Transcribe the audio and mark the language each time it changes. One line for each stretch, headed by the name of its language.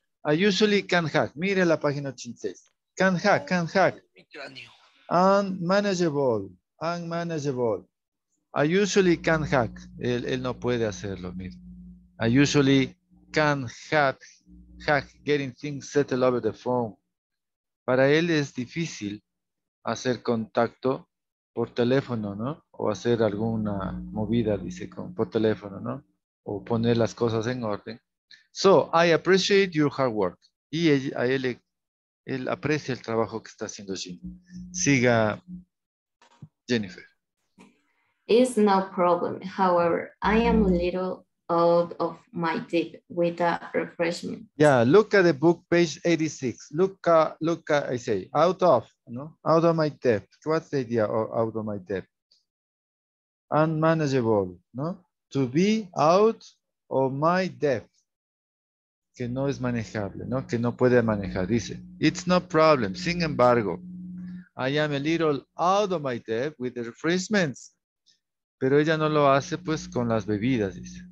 English: I usually can hack.
Spanish: Mire la página 86.
English: Can hack. Unmanageable. I usually can hack.
Spanish: Él no puede hacerlo. Mire.
English: I usually can hack getting things settled over the phone.
Spanish: Para él es difícil hacer contacto por teléfono, ¿no? O hacer alguna movida, dice, por teléfono, ¿no? O poner las cosas en orden.
English: So, I appreciate your hard work.
Spanish: Y él aprecia el trabajo que está haciendo Jim. Siga, Jennifer.
English: It's no problem. However, I am a little out of my deep with a refreshment. Yeah, look at the book, page 86. Look, out of, no? Out of my depth. What's the idea of out of my depth? Unmanageable, no? To be out of my depth.
Spanish: Que no es manejable, no? Que no puede manejar, dice.
English: It's no problem.
Spanish: Sin embargo,
English: I am a little out of my depth with the refreshments.
Spanish: Pero ella no lo hace, pues, con las bebidas, dice.